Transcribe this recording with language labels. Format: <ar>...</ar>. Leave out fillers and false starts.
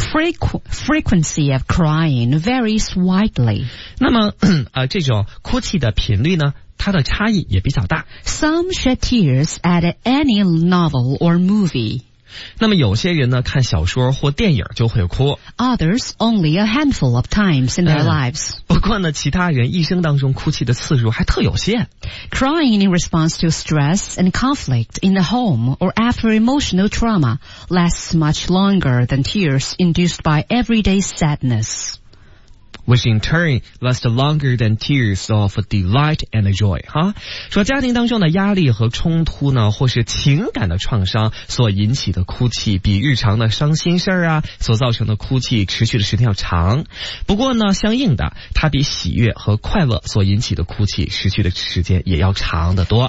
<en>Frequency of crying varies widely.</en> <zh>那么这种哭泣的频率呢，它的差异也比较大。</zh> <en>Some shed tears at any novel or movie.</en> <zh>那么有些人呢，看小说或电影就会哭。</zh> <en>Others only a handful of times in their lives.</en> <zh>不过呢，其他人一生当中哭泣的次数还特有限。</zh> <en>Crying in response to stress and conflict in the home or after emotional trauma lasts much longer than tears induced by everyday sadness. Which in turn lasts longer than tears of delight and joy.</en> <zh>哈，说家庭当中的压力和冲突呢，或是情感的创伤所引起的哭泣，比日常的伤心事啊所造成的哭泣持续的时间要长。不过呢，相应的，它比喜悦和快乐所引起的哭泣持续的时间也要长得多。</zh>